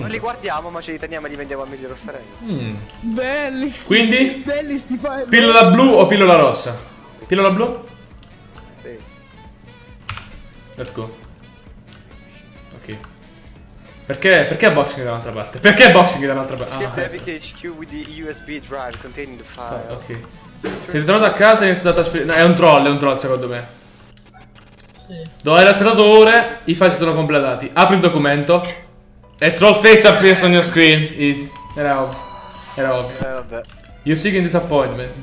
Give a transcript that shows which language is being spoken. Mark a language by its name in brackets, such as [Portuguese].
[Italian] Non li guardiamo, ma ce li teniamo e li vendiamo a miglior offerente. Belli. Quindi? Belli sti file. Pillola blu o pillola rossa? Pillola blu? Sì. [English] Let's go. Ok. [Italian] Perché boxing dall'altra parte? Perché boxing dall'altra parte? [English] Skip the Epic HQ with the USB drive containing the file. [Italian] Ok. Siete tornati a casa e iniziate a trasferire. No, è un troll secondo me. Sì. Dove aver aspettato ore, i file si sono completati. Apri il documento. [English] E troll face appears on your screen. [Italian] Easy. Era ovvio. Vabbè. [English] You're seeking disappointment.